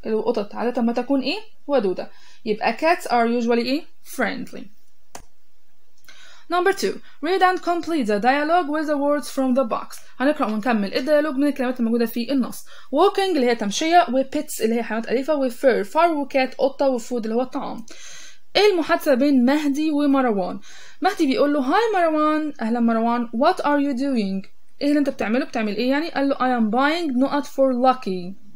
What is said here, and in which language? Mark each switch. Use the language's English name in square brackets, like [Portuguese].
[Arabic] القطط عادة ما تكون ايه؟ ودودة. يبقى [English] cats are usually ايه؟ friendly. Number 2, read and complete the dialogue with the words from the box. [Arabic] هنقرأ ونكمل الديالوج من الكلمات الموجودة في النص. Walking اللي هي تمشية, و pets اللي هي حيوانات أليفة, و fur فار, و cat قطة, و food اللي هو الطعام. المحادثة بين مهدي ومروان. مهدي بيقول له هاي مروان, أهلا مروان, [English] what are you doing? [Arabic] إيه اللي أنت بتعمله؟ بتعمل إيه يعني؟ قال له [English] I am buying nut for lucky.